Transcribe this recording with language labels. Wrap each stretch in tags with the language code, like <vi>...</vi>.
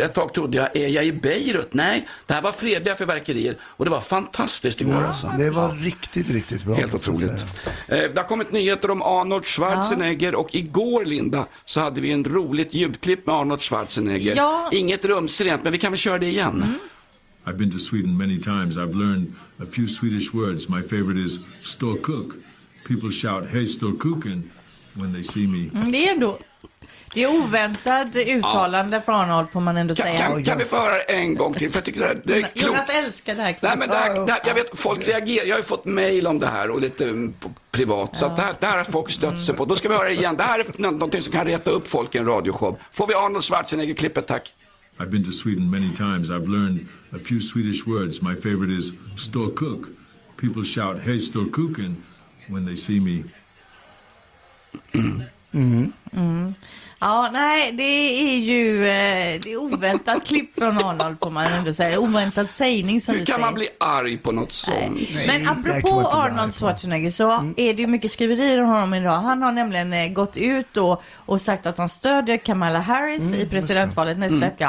<sv>Ett tag trodde jag, är jag i Beirut? Nej, det här var fredliga fyrverkerier. Och det var fantastiskt igår. Det var riktigt, riktigt bra. Helt otroligt. Det har kommit nyheter om Arnold Schwarzenegger. Ja. Och igår, Linda, så hade vi en roligt ljudklipp med Arnold Schwarzenegger. Ja. Inget rumsrent, men vi kan väl köra det igen.</sv> <en>I've been to Sweden many times. I've learned a few Swedish words. My favorite is</en> <sv>storkuk.</sv> <en>People shout, hey</en> <sv>storkuken,</sv> <en>when they see me.</en> <sv>Det är ändå, det är oväntat uttalande från Arnold, får man ändå kan, säga. Kan vi få höra en gång till? För jag tycker det, det är klokt. Jonas älskar det här. Nej, men det här, jag vet, folk reagerar. Jag har ju fått mejl om det här och lite privat. Så ja. det här har folk stött sig på. Då ska vi höra igen. Det här är någonting som kan reta upp folk i en radioshow. Får vi Arnold Schwarzenegger klippet, tack.</sv> <en>I've been to Sweden many times. I've learned a few Swedish words. My favorite is</en> <sv>storkuk.</sv> <en>People shout, hey</en> <sv>storkuken,</sv> <en>when they see me.</en> <sv>Ja, nej, det är ju det är oväntat klipp från Arnold, får man ändå säga. Oväntat sägning, som du säger. Hur kan man bli arg på något sånt? Nej. Men apropå Arnold Schwarzenegger så är det ju mycket skriverier om honom idag. Han har nämligen gått ut och sagt att han stödjer Kamala Harris i presidentvalet nästa vecka.</sv>